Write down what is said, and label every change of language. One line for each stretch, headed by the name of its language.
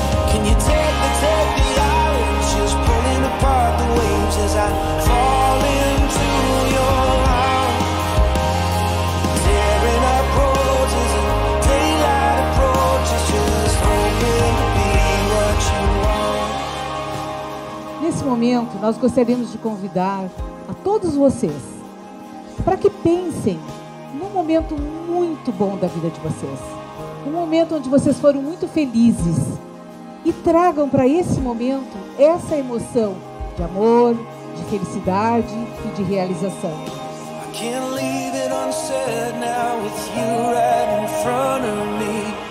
English: Can you take the islands, just pulling apart the waves as I fall into your arms? Tearing up roses and daylight approaches, just hoping to be what you want.
Portuguese: Nesse momento, nós gostaríamos de convidar a todos vocês para que pensem num momento muito bom da vida de vocês. Um momento onde vocês foram muito felizes. E tragam para esse momento essa emoção de amor, de felicidade e de realização.
English: I can't leave it unsaid now with you right in front of me.